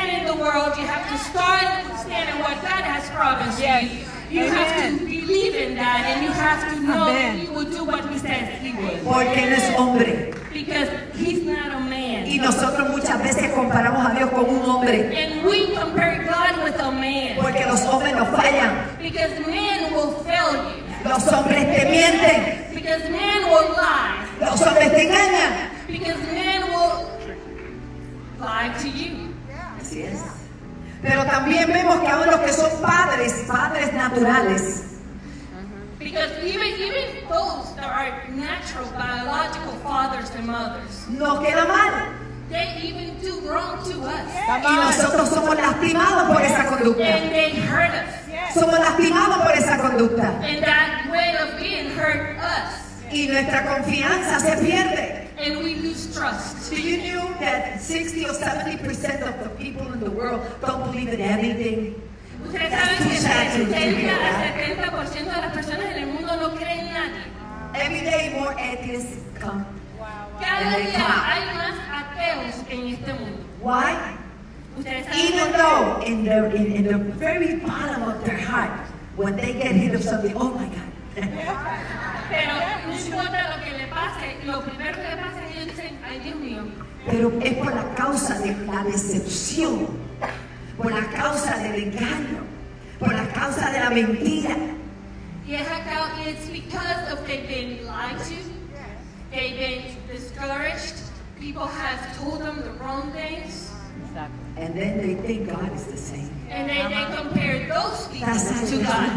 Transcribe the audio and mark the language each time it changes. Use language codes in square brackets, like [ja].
[en] World, you have to start understanding what God has promised yes. you. You have to believe in that, and you have to know that He will do what He says He will. [es] Porque él es hombre. [en] Because He's not a man. [es] Y nosotros muchas veces comparamos a Dios con un hombre. [en] And we compare God with a man. [es] Porque los hombres nos fallan. [en] Because men will fail you. [es] Los hombres te mienten. [en] Because men will lie. [es] Los hombres te engañan. [en] Because men will lie to you. Yes. [es] Pero también vemos que aún los que son padres, padres naturales. [en] Because even those that are natural, biological fathers and mothers. [es] Nos queda mal. [en] They even do wrong to us. [es] Y nosotros somos lastimados por esa conducta. [en] And they hurt us. [es] Somos lastimados por esa conducta. [en] And that way of being hurt us. [es] Y nuestra confianza se pierde. [en] And we lose trust. Do you know that 60 or 70% of the people in the world don't believe in anything? That's too sad to hear that. 70% of the people in the world don't believe in anything. Every day more atheists come. [es] Cada día hay más ateos en este mundo. [en] Why? Even though in the very bottom of their heart, when they get hit of something, oh my God. [es] Pero no importa lo que le pase, lo primero que le pase es dicen, ay Dios mío. Pero es por la causa de la decepción, por la causa del engaño, por la causa de la mentira. [en] It's because of they've been lied to, they've been discouraged, people have told them the wrong things. And then they think God is the same. And then they compare those people to God.